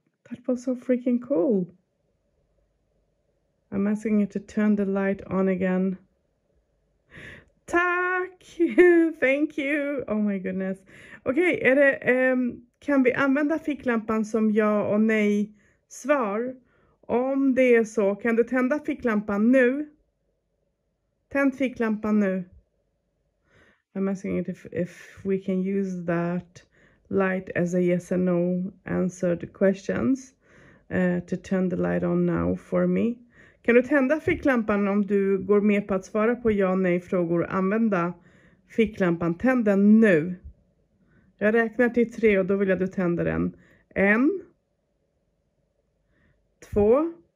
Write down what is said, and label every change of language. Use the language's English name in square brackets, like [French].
[English] That was so freaking cool. I'm asking you to turn the light on again. [Swedish] Tack! [English] Thank you! Oh my goodness. [Swedish] Okej, okay, kan vi använda ficklampan som ja och nej svar? Om det är så, kan du tända ficklampan nu? Tänd ficklampan nu. [English] I'm asking you if we can use that light as a yes and no answered questions to turn the light on now for me. [Swedish] Kan du tända ficklampan om du går med på att svara på ja och nej frågor? Använda ficklampan. Tänd den nu. Jag räknar till tre och då vill jag att du tänder den. En. Två.